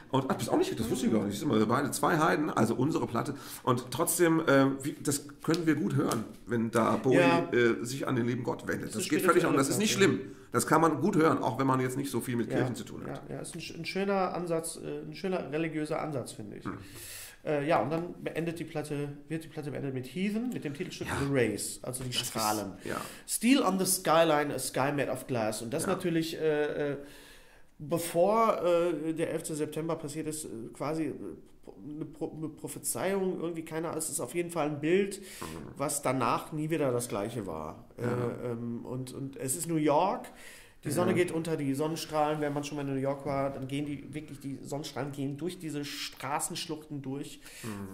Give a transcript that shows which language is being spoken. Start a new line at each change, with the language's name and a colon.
German: Und, ach, bist auch nicht, das wusste ich gar nicht, wir sind beide zwei Heiden, also unsere Platte und trotzdem, das können wir gut hören, wenn da Bowie sich an den lieben Gott wendet, das geht völlig an, das ist nicht schlimm. Das kann man gut hören, auch wenn man jetzt nicht so viel mit Kirchen zu tun hat. Ja, ist ein schöner Ansatz, ein schöner religiöser Ansatz, finde ich. Hm. Und dann wird die Platte beendet mit Heathen, mit dem Titelstück The Rays, also die Strahlen.
English: Steel on the Skyline, a sky made of glass.
German: Und das natürlich, bevor der 11. September passiert ist, quasi eine Prophezeiung, irgendwie keine Ahnung, es ist auf jeden Fall ein Bild, was danach nie wieder das gleiche war. Und es ist New York. Die Sonne geht unter, die Sonnenstrahlen, wenn man schon mal in New York war, dann gehen die Sonnenstrahlen gehen durch diese Straßenschluchten durch. Mhm.